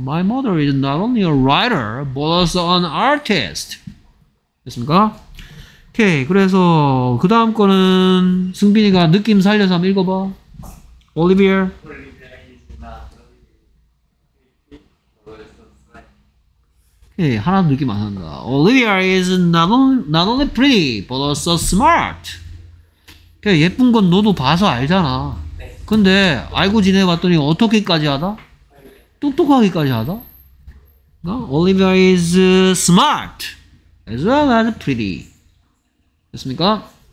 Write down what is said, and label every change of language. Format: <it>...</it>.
<en>My mother is not only a writer, but also an artist.</en> <ko>됐습니까? 오케이. 그래서 그 다음 거는 승빈이가 느낌 살려서 한번 읽어봐. Olivier. Hey, 하나도 느낌 안 난다.</ko> <en>Olivia is not only pretty, but also smart.</en> <ko>예쁜 건 너도 봐서 알잖아. 근데 알고 지내봤더니 어떻게까지 하다? 똑똑하기까지 하다?</ko> <en>Olivia is smart as well as pretty.</en> <ko>됐습니까?</ko>